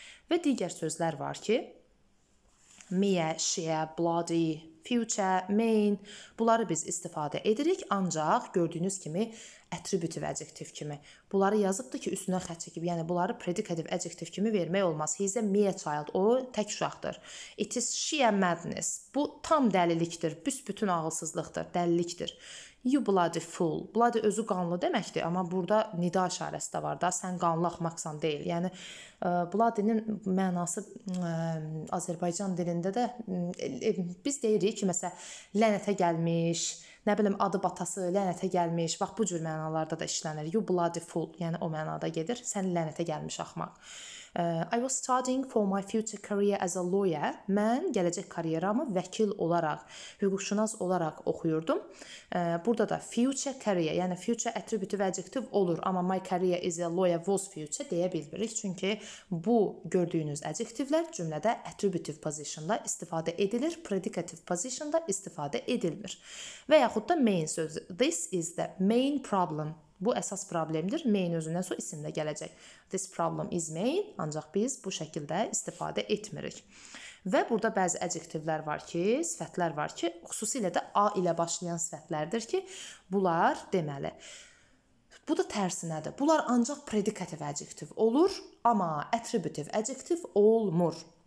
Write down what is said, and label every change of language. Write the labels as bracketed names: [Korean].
[Azerbaijani] Ve diğer sözler var ki, me, she, bloody, future, main, bunları biz istifadə edirik, ancaq gördüyünüz kimi attributive adjective kimi. Bunları yazıbdır ki, üstünə xətt çəkib, yəni bunları predicative adjective kimi vermək olmaz. [English] He is a mere child, [Azerbaijani] o tək uşaqdır. [English] It is sheer madness, [Azerbaijani] bu tam dəlilikdir, büsbütün ağılsızlıqdır, dəlilikdir. [English] You bloody fool, [Azerbaijani] bloody özü qanlı deməkdir, amma burada nida işarəsi də var da, sən qanlı axmaqsan deyil. Yəni, bloody-nin mənası Azərbaycan dilində də biz deyirik ki, məsələ, lənətə gəlmiş, nə bilim, adı batası lənətə gəlmiş, bax, bu cür mənalarda da işlənir. [English] You bloody fool, [Azerbaijani] yəni o mənada gedir, sən lənətə gəlmiş axmaq. [English] I was studying for my future career as a lawyer. [Azerbaijani] Mən gələcək kariyeramı vəkil olaraq, hüquqşünas olaraq oxuyurdum. Burada da future career, yəni future attributive adjective olur, amma [English] my career is a lawyer was future [Azerbaijani] deyə bilmirik. Çünki bu gördüyünüz adjektivlər cümlədə attributive positionda istifadə edilir, predicative positionda istifadə edilmir. Və yaxud da main sözü. [English] This is the main problem. [Azerbaijani] Bu, əsas problemdir. Main özündən sonra isim də gələcək. [English] This problem is main. [Azerbaijani] Ancaq biz bu şəkildə istifadə etmirik. Və burada bəzi adjektivlər var ki, sifətlər var ki, xüsusilə də A ilə başlayan sifətlərdir ki, bunlar deməli. Bu da tərsinədir. Bunlar ancaq predicative adjective olur, amma attributive adjective olmur.